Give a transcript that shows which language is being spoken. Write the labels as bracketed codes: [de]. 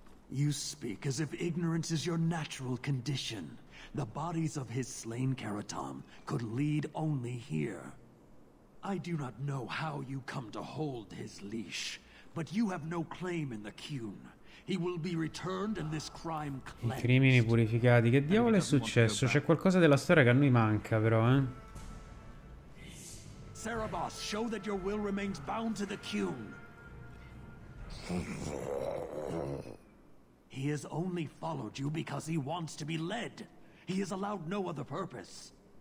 [en] You speak as if ignorance is your natural condition. The bodies of his slain Karatam could lead only here. I do not know how you come to hold his leash, but you have no claim in the Kune. He will be returned and this crime cleansed. [it] I crimini purificati. Che diavolo è successo? C'è qualcosa della storia che a noi manca, però, eh? [en] Sarabas, show that your will remains bound to the Kune. He has only followed you because he wants to be led. He has allowed no other purpose.